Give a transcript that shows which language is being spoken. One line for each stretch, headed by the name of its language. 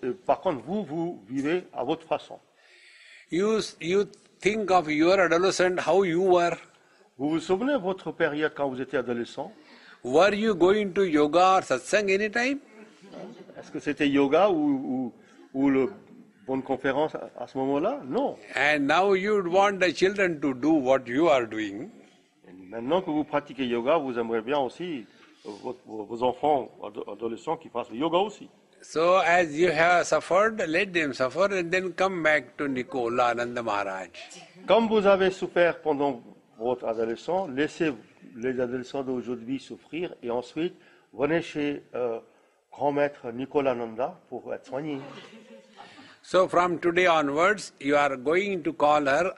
French: Et par contre, vous vivez à votre façon.
English: You think of your adolescent, how you were.
French: Vous vous souvenez de votre période quand vous étiez adolescent?
English: Were you going to yoga or satsang anytime?
French: Est-ce que c'était yoga ou le bonne conférence à ce moment-là? Non.
English: And now you'd want the children to do what you are doing.
French: Maintenant que vous pratiquez yoga, vous aimeriez bien aussi vos enfants, adolescents, qui fassent le yoga aussi.
English: So as you have suffered, let them suffer and then come back to Nikola Ananda Maharaj.
French: Comme vous avez souffert pendant votre adolescence, laissez les adolescents d'aujourd'hui souffrir et ensuite venez chez grand maître Nikola Ananda pour être soigné.
English: So from today onwards, you are going to call her.